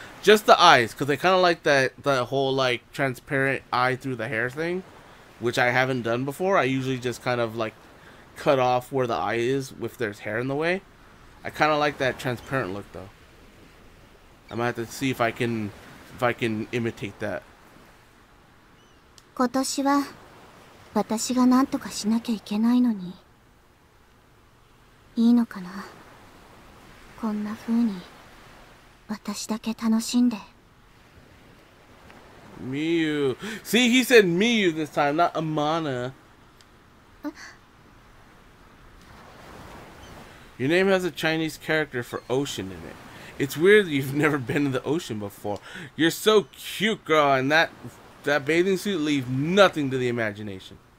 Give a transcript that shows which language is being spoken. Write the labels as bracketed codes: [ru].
[en] Just the eyes, because I kind of like that whole, like, transparent eye through the hair thing, which I haven't done before. I usually just kind of, like, cut off where the eye is if there's hair in the way. I kind of like that transparent look, though. I'm gonna have to see if I can imitate that. [ja] 今年は私が何とかしなきゃいけないのにいいのかなこんな風に私だけ楽しんで [en] Miu. See, he said Miu this time, not Amana. Your name has a Chinese character for ocean in it. It's weird that you've never been in the ocean before. You're so cute, girl, and that bathing suit leaves nothing to the imagination.